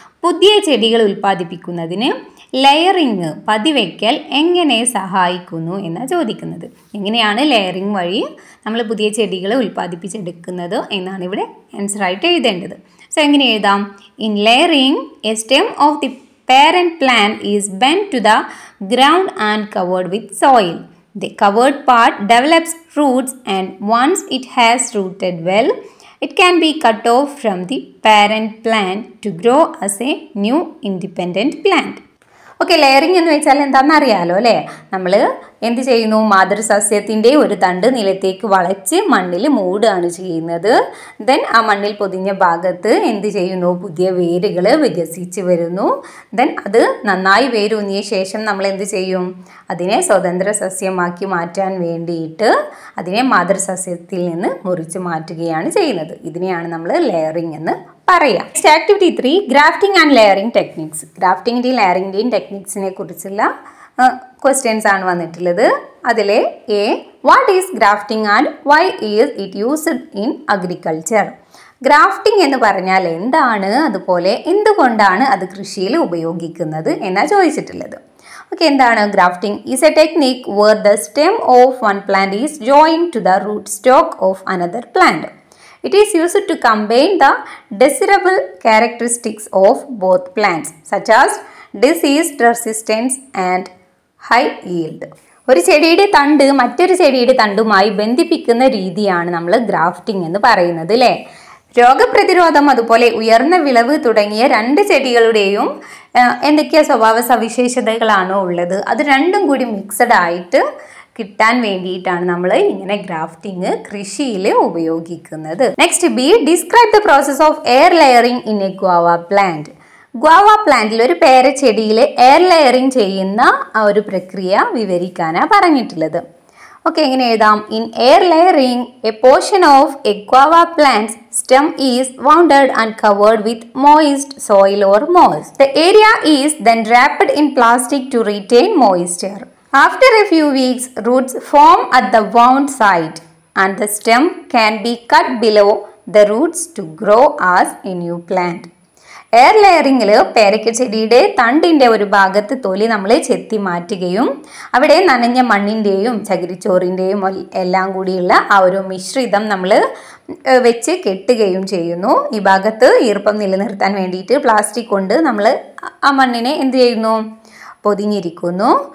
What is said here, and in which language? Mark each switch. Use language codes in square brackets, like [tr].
[ml] പുതിയ ചെടികൾ ഉൽപ്പാദിപ്പിക്കുന്നതിന് ലെയറിങ് പതിവെക്കൽ എങ്ങനെ സഹായിക്കുന്നു എന്നാണ് ചോദിക്കുന്നത് എങ്ങനെയാണ് ലെയറിങ് വഴി നമ്മൾ പുതിയ ചെടികൾ ഉൽപ്പാദിപ്പിച്ചെടുക്കുന്നത് എന്നാണ് ഇവിടെ ആൻസറായിട്ട് എഴുതേണ്ടത് സോ എങ്ങനെ എഴുതാം [en] In layering a stem of the parent plant is bent to the ground and covered with soil. The covered part develops roots, and once it has rooted well, it can be cut off from the parent plant to grow as a new independent plant. [ml] Okay, layering എന്ന് വെച്ചാൽ എന്താണെന്ന് അറിയാമല്ലോ അല്ലേ. നമ്മൾ എന്ത് ചെയ്യുന്നു, മാതൃസസ്യത്തിൻ്റെ ഒരു തണ്ട് നിലത്തേക്ക് വളച്ച് മണ്ണിൽ മൂടുകയാണ് ചെയ്യുന്നത്. ദെൻ ആ മണ്ണിൽ പൊതിഞ്ഞ ഭാഗത്ത് എന്ത് ചെയ്യുന്നു, പുതിയ വേരുകൾ വികസിച്ച് വരുന്നു. ദെൻ അത് നന്നായി വേരൂന്നിയ ശേഷം നമ്മൾ എന്ത് ചെയ്യും, അതിനെ സ്വതന്ത്ര സസ്യമാക്കി മാറ്റാൻ വേണ്ടിയിട്ട് അതിനെ മാതൃസസ്യത്തിൽ നിന്ന് മുറിച്ച് മാറ്റുകയാണ് ചെയ്യുന്നത്. ഇതിനെയാണ് നമ്മൾ ലെയറിംഗ് എന്ന് പറയാം. [en] Next activity 3, grafting and layering techniques. [ml] ഗ്രാഫ്റ്റിംഗിൻ്റെയും ലെയറിംഗിൻ്റെയും ടെക്നിക്സിനെ കുറിച്ചുള്ള ക്വസ്റ്റ്യൻസ് ആണ് വന്നിട്ടുള്ളത്. അതിലെ [en] A, what is grafting and why is it used in agriculture. [ml] Grafting എന്ന് പറഞ്ഞാൽ എന്താണ്, അതുപോലെ എന്തുകൊണ്ടാണ് അത് കൃഷിയിൽ ഉപയോഗിക്കുന്നത് എന്നാണ് ചോദിച്ചിട്ടുള്ളത്. [en] okay, [ml] എന്താണ് grafting? [en] Is a technique where the stem of one plant is joined to the root stock of another plant. It is used to combine the desirable characteristics of both plants, such as disease resistance and high yield. [ml] ഒരു ചെടിയുടെ തണ്ട് മറ്റൊരു ചെടിയുടെ തണ്ടുമായി ബന്ധിപ്പിക്കുന്ന രീതിയാണ് നമ്മൾ grafting എന്ന് പറയുന്നത് അല്ലേ. രോഗപ്രതിരോധം അതുപോലെ ഉയർന്ന വിളവ് തുടങ്ങിയ രണ്ട് ചെടികളുടെയും എന്തൊക്കെയാ സ്വഭാവ സവിശേഷതകളാണോ ഉള്ളത്, അത് രണ്ടും കൂടി മിക്സഡ് ആയിട്ട് കിട്ടാൻ വേണ്ടിയിട്ടാണ് നമ്മൾ ഇങ്ങനെ ഗ്രാഫ്റ്റിംഗ് കൃഷിയിൽ ഉപയോഗിക്കുന്നത്. [en] Next B, describe the process of air layering in a guava plant. [ml] Guava പ്ലാന്റിൽ ഒരു പേര ചെടിയിൽ എയർ ലെയറിംഗ് ചെയ്യുന്ന ആ ഒരു പ്രക്രിയ വിവരിക്കാനാണ് പറഞ്ഞിട്ടുള്ളത്. ഓക്കെ, എങ്ങനെ എഴുതാം? [en] In air layering a portion of a guava plant's stem is wounded and covered with moist soil or moss. The area is then wrapped in plastic to retain moisture. After a few weeks, roots form at the wound site and the stem can be cut below the roots to grow as a new plant. [ml] Air ലെയറിംഗിൽ പേരയ്ക്ക ചെടിയുടെ തണ്ടിൻ്റെ ഒരു ഭാഗത്ത് തൊലി നമ്മൾ ചെത്തി മാറ്റുകയും അവിടെ നനഞ്ഞ മണ്ണിൻ്റെയും ചകിരിച്ചോറിൻ്റെയും എല്ലാം കൂടിയുള്ള ആ ഒരു മിശ്രിതം നമ്മൾ വെച്ച് കെട്ടുകയും ചെയ്യുന്നു. ഈ ഭാഗത്ത് ഈർപ്പം നിലനിർത്താൻ വേണ്ടിയിട്ട് പ്ലാസ്റ്റിക് കൊണ്ട് നമ്മൾ ആ മണ്ണിനെ എന്ത് ചെയ്യുന്നു, പൊതിഞ്ഞിരിക്കുന്നു.